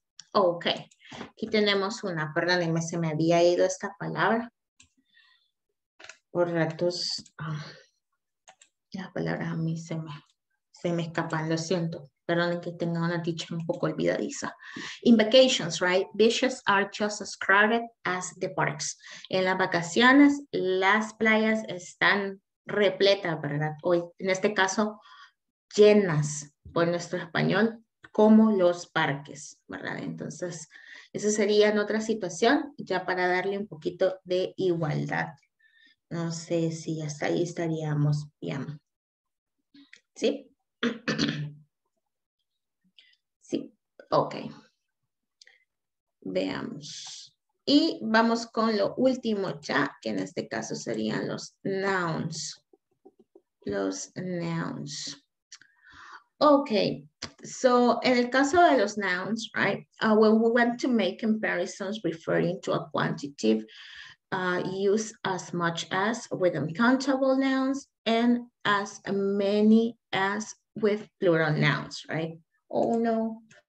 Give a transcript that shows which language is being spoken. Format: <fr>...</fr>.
<es>Ok, aquí tenemos una, perdónenme, se me había ido esta palabra. Por ratos, las palabras a mí se me escapan, lo siento. Perdónenme que tenga una teacher un poco olvidadiza.</es> <en>In vacations, right? Beaches are just as crowded as the parks.</en> <es>En las vacaciones, las playas están repletas, ¿verdad? O en este caso, llenas, por nuestro español, como los parques, ¿verdad? Entonces, esa sería en otra situación, ya para darle un poquito de igualdad. No sé si hasta ahí estaríamos bien. ¿Sí? Sí, ok. Veamos. Y vamos con lo último ya, que en este caso serían los nouns. Los nouns.</es> <en>Okay, so in the case of los nouns, right? When we want to make comparisons referring to a quantity, use as much as with uncountable nouns and as many as with plural nouns, right? Oh no.</en>